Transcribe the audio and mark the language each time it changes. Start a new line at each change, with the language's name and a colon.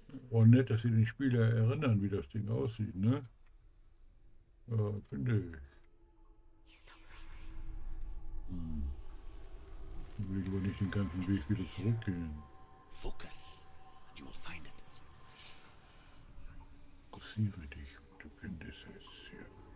German: Oh, nett, dass sie den Spieler erinnern, wie das Ding aussieht, ne? Ja, finde ich. Dann will ich aber nicht den ganzen Weg wieder zurückgehen.
English: Focus, and you will find it.
German: Fokussiere dich, du findest es hier.